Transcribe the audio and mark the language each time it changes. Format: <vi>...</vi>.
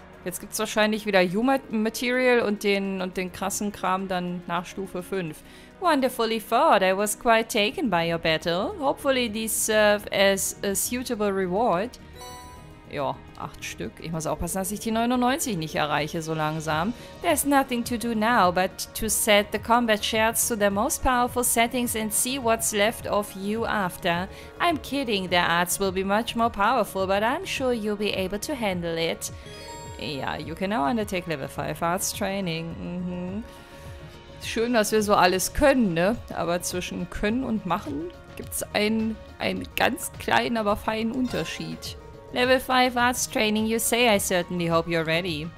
<de>Jetzt gibt es wahrscheinlich wieder Human Material und den krassen Kram dann nach Stufe 5.</de> <en>Wonderfully thought. I was quite taken by your battle. Hopefully these serve as a suitable reward.</en> <de>Ja, 8 Stück. Ich muss aufpassen, dass ich die 99 nicht erreiche so langsam.</de> <en>There's nothing to do now but to set the combat shards to the most powerful settings and see what's left of you after. I'm kidding, the arts will be much more powerful, but I'm sure you'll be able to handle it. Ja, you can now undertake level 5 arts training.</en> <de>Mhm. Schön, dass wir so alles können, ne? Aber zwischen können und machen gibt es einen ganz kleinen, aber feinen Unterschied.</de> <en>Level 5 Arts Training, you say, I certainly hope you're ready.</en>